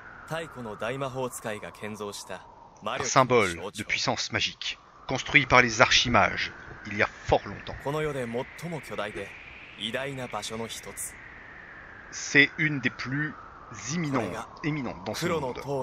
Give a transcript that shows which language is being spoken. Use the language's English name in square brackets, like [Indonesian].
[Japanese] 太古の大魔法使いが建造した魔 [French] Un [Japanese] 力の象 [French] symbole de puissance magique, construit par les archimages il y a fort longtemps. [Japanese] この世で最も巨大で偉大な場所の一つ。 [French] C'est une des plus éminentes dans ce monde.